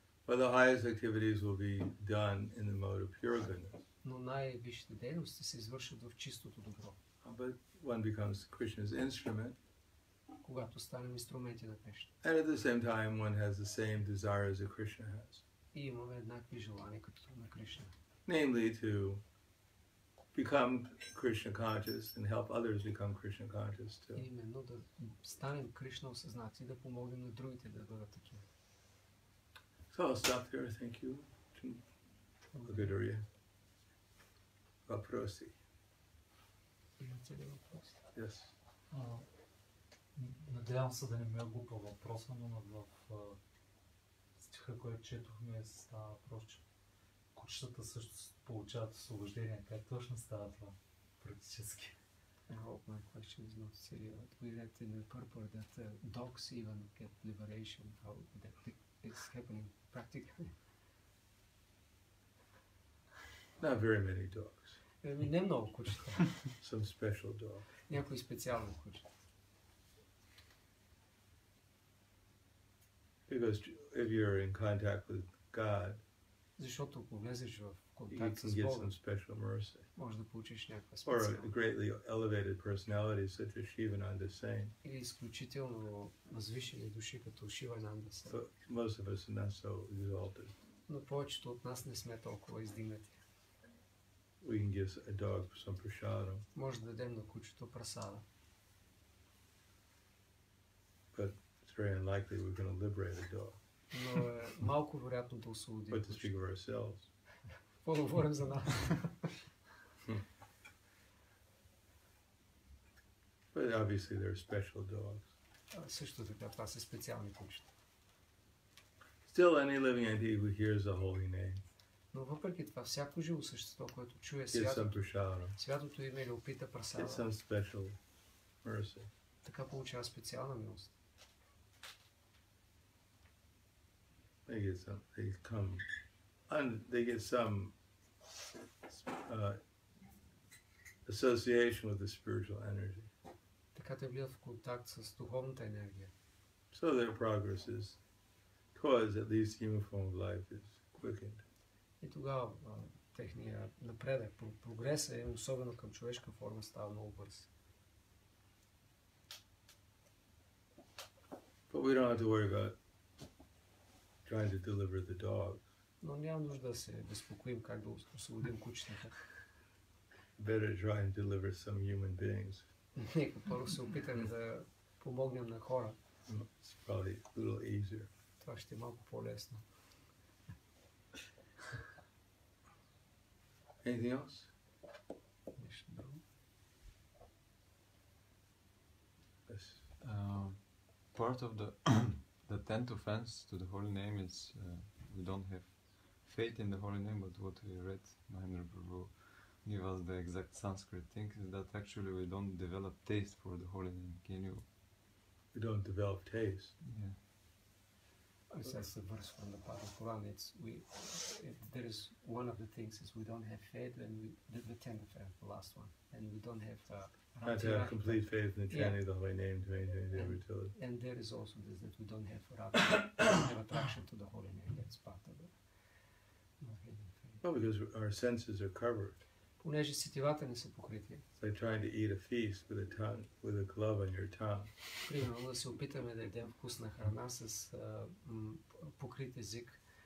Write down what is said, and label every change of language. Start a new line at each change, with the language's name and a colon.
English: But the highest activities will be done in the mode of pure goodness.
Bulgarian: Но най-висшите дейности се извършват в чистото добро.
English: But one becomes Krishna's instrument.
Bulgarian: когато станем инструменти на Кришна.
English: And at the same time one has the same desire as a Krishna has.
Bulgarian: И имаме еднакви желания като на Кришна.
English: Namely to become Krishna conscious and help others become Krishna conscious too.
Bulgarian: Именно да станем Кришна осъзнати и да помогнем на другите да бъдат такива.
English: So I'll stop here. Thank you.
Bulgarian: Благодаря. Вопроси. Имате ли въпроси?
English: Yes.
Bulgarian: Надявам се да не ми е глупа въпроса, но в стиха, който четохме, става въпрос, че кучетата също получават освобождение. Как точно става това практически?
English: I hope my question is not serious. We read in the purport that the dogs even get liberation. How that is happening practically? Not very many dogs.
Bulgarian: Не много кучета.
English: Some special dog.
Bulgarian: Някои специални кучета.
English: Because if you're in contact with God,
Bulgarian: защото ако влезеш в контакт с
English: Бога, you can get some special mercy.
Bulgarian: Може да получиш някаква специална.
English: Or a greatly elevated personality such as Shivananda Sen.
Bulgarian: Или изключително възвишени души като Шивананда Сен.
English: But most of us are not so exalted.
Bulgarian: Но повечето от нас не сме толкова издигнати.
English: We can give a dog some prasada.
Bulgarian: Може да дадем на кучето прасада.
English: But very unlikely we're going to liberate a dog.
Bulgarian: Но е малко вероятно да освободим.
English: But to speak of ourselves.
Bulgarian: По-говорим за нас.
English: But obviously there are special dogs.
Bulgarian: Също така, това са специални кучета.
English: Still any living entity who hears the holy name.
Bulgarian: Но въпреки това, всяко живо същество, което чуе святото име или опита прасада.
English: Get some special mercy.
Bulgarian: Така получава специална милост.
English: They get some. They come. They get some association with the spiritual energy.
Bulgarian: Така те влизат в контакт с духовната енергия.
English: So their progress is towards at least human form of life is quickened.
Bulgarian: И тогава техния напредък, прогрес е особено към човешка форма става много бърз.
English: But we don't have to worry about trying to deliver the dog.
Bulgarian: Но няма нужда да се безпокоим как да освободим кучетата.
English: Better try and deliver some human beings.
Bulgarian: Нека първо се опитаме да помогнем на хора.
English: It's probably a little easier.
Bulgarian: Това ще е малко по-лесно.
English: Anything else?
Bulgarian: Нещо друго.
English: Yes. Part of the the tenth offense to the holy name is we don't have faith in the holy name, but what we read, Mahendra Prabhu give us the exact Sanskrit thing, is that actually we don't develop taste for the holy name. Can you? We don't develop taste. Yeah. It's just a verse from the part of Quran. It's we. It, there is one of the things is we don't have faith, and we, the tenth offense, the last one, and we don't have. Not to have complete faith in the chanting of the holy name to maintain the utility. And there is also this that we don't have have attraction to the holy name. That's part of it. Well, because our senses are covered.
Bulgarian: Понеже сетивата не са покрити.
English: By trying to eat a feast with a tongue, with a glove on your tongue.
Bulgarian: Примерно да се опитаме да едем вкусна храна с покрит език.